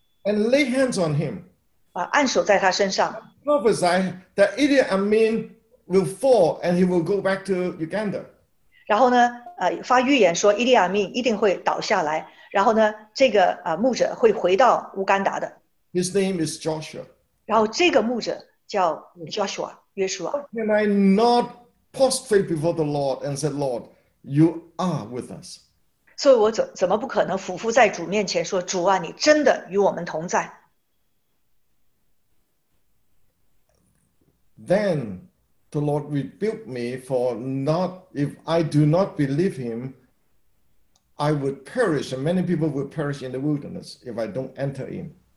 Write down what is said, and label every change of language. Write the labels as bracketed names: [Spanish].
[English] And lay hands on him. [Chinese] 按手在他身上。 [English] Prophesy that Idi Amin will fall and he will go back to Uganda. [Chinese] 然后呢,发预言说,Idi Amin一定会倒下来,然后呢,这个牧者会回到乌干达的。 [English] His name is Joshua. [Chinese] 然后这个牧者叫Joshua, 约书亚。 [English] Can I not prostrate before the Lord and say, Lord, you are with us? [Chinese] 所以我怎么不可能俯伏在主面前说,主啊,你真的与我们同在? [English] Then the Lord rebuked me for not, if I do not believe him, I would perish, and many people would perish in the wilderness if I don't enter in.